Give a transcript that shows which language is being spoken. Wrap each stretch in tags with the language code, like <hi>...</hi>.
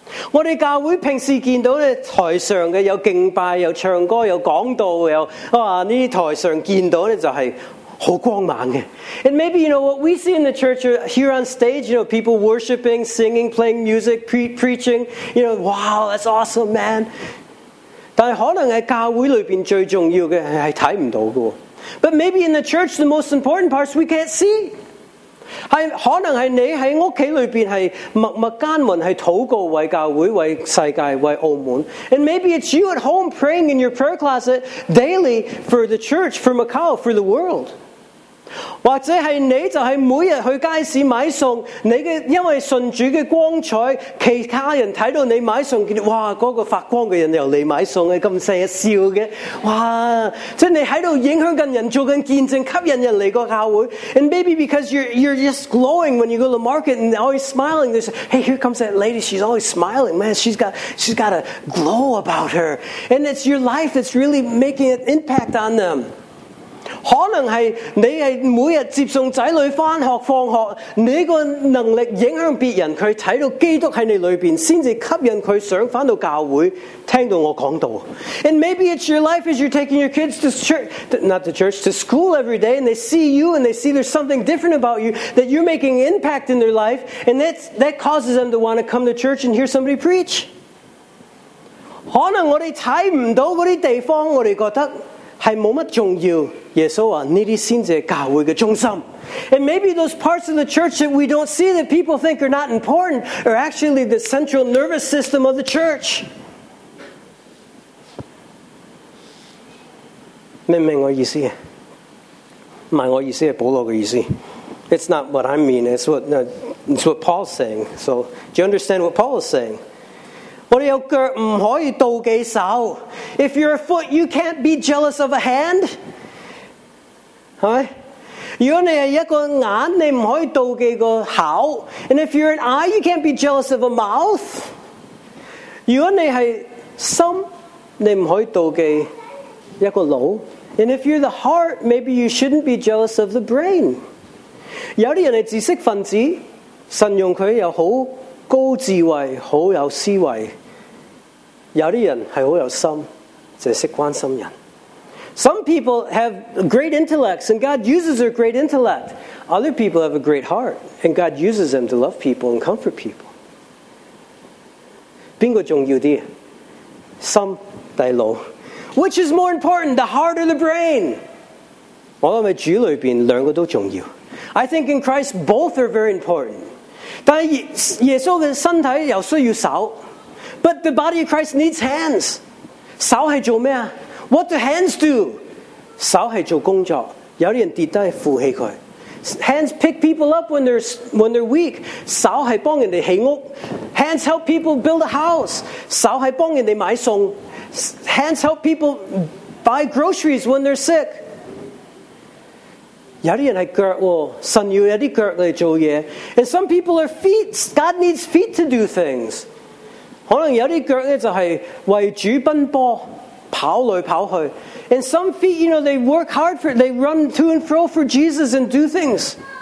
<zh>我哋教会平时见到咧台上嘅有敬拜，有唱歌，有讲道，有啊呢啲台上见到咧就系，好光芒的。</zh> <en>And maybe, you know, what we see in the church here on stage, you know, people worshiping, singing, playing music, preaching, you know, wow, that's awesome, man.</en> <zh>但可能在教会里面最重要的是看不到的。</zh> <en>But maybe in the church, the most important parts we can't see.</en> <zh>是可能是你在家里面是默默耕耘，是祷告为教会、为世界、为澳门。</zh> <en>And maybe it's you at home praying in your prayer closet daily for the church, for Macau, for the world.</en> <zh>或者是你就是每天去街市买餸，你的因为信主的光彩，其他人看到你买餸，见哇那个发光的人又来买餸，这么成日笑的，哇，即你在影响人，做见证，吸引人来个教会。</zh> <en>And maybe because you're just glowing when you go to the market and always smiling, they say, hey, here comes that lady, she's always smiling, man, she's got a glow about her. And it's your life that's really making an impact on them.</en> <zh>可能是你是每天接送子女上学放学，你的能力影响别人，他看到基督在你里面，才吸引他想回到教会听到我讲道。</zh> <en>And maybe it's your life as you're taking your kids to church, not to church, to school every day, and they see you and they see there's something different about you, that you're making an impact in their life, and that causes them to want to come to church and hear somebody preach.</en> <zh>可能我们看不到那些地方，我们觉得是没什么重要，耶稣说这些才是教会的中心。</zh> <en>And maybe those parts of the church that we don't see that people think are not important are actually the central nervous system of the church.</en> <zh>明白我意思？不是我意思，是保罗的意思。</zh> <en>It's not what I mean, it's what Paul's saying. So, do you understand what Paul is saying?</en> <zh>我们有脚不可以妒忌手。</zh> <en>If you're a foot, you can't be jealous of a hand.</en> <zh>是吧？如果你是一个眼，你不可以妒忌个口。</zh> <en>And if you're an eye, you can't be jealous of a mouth.</en> <zh>如果你是心，你不可以妒忌一个脑。</zh> <en>And if you're the heart, maybe you shouldn't be jealous of the brain.</en> <zh>有些人是知识分子，神用他又好高智慧，好有思维，有些人是很有心，就是懂关心人。</zh> <en>Some people have great intellects and God uses their great intellect. Other people have a great heart and God uses them to love people and comfort people.</en> <zh>哪个重要一点？心还是脑？</zh> <en>Which is more important, the heart or the brain?</en> <zh>我想在主里面两个都重要。</zh> <en>I think in Christ both are very important.</en> <zh>但耶稣的身体又需要手。</zh> <en>But the body of Christ needs hands.</en> <zh>手是做什么？</zh> <en>What do hands do?</en> <zh>手是做工作，有些人跌下来扶起他。</zh> <en>Hands pick people up when they're weak.</en> <zh>手是帮人家建屋。</zh> <en>Hands help people build a house.</en> <zh>手是帮人家买餸。</zh> <en>Hands help people buy groceries when they're sick.</en> <zh>有些人是脚，神要有些脚来做事。</zh> <en>And some people are feet, God needs feet to do things.</en> <zh>可能有些脚就是为主奔波，跑来跑去。</zh> <en>And some feet, you know, they work hard for, they run to and fro for Jesus and do things.</en>